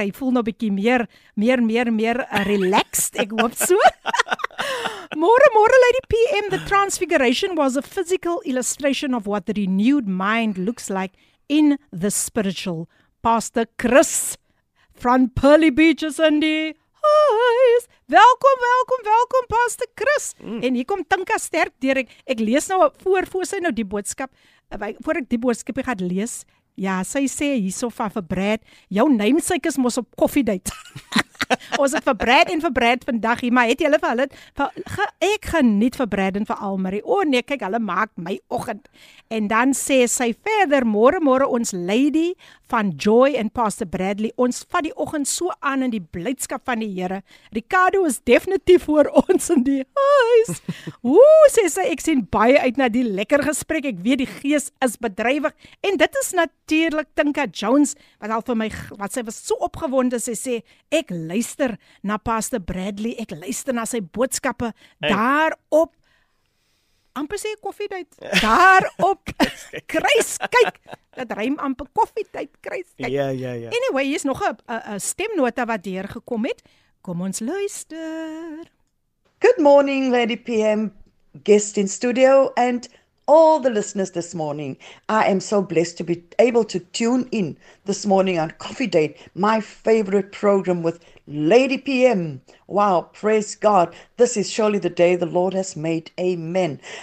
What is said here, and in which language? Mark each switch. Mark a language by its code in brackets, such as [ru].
[af] Hy voel nou 'n bietjie meer relaxed. Ek hoop so. [en] Môre Lady PM, the transfiguration was a physical illustration of what the renewed mind looks like in the spiritual. [af] Pastor Chris from Pearly Beaches in die huis. Welkom, Pastor Chris. Mm. En hier kom Tinka sterk deur. Ek lees nou voor sy nou die boodskap. Voor ek die boodskap gaan lees. Ja, sy sê hierso vir Brad, jou namesake is mos op koffiedate. Ons het vir Brad vandag hier, maar het julle vir hulle, ek geniet vir Brad en vir Almarie. O nee, kyk, hulle maak my oggend. En dan sê sy verder, môre ons lady van Joy en Pastor Bradley, ons vat die oggend so aan in die blydskap van die Here. Ricardo is definitief voor ons in die huis. Ooh, sê sy, ek sien baie uit na die lekker gesprek. Ek weet die gees is bedrywig. En dit is natuurlik Tinka Jones, wat al vir my, wat sy was so opgewonde, sy sê, ek luister na Pastor Bradley, ek luister na sy boodskappe, daarop, amper sê koffietyd, daarop, kruis, kyk, dat ruim amper koffietyd, kruis, kyk. [en] Yeah. [af] Anyway, hier is nog een stemnota wat deurgekom het, kom ons luister. [en] Good morning, Lady PM, guest in studio, and all the listeners this morning. I am so blessed to be able to tune in this morning on Coffee Date, my favorite program with Lady PM. Wow, praise God. This is surely the day the Lord has made. Amen.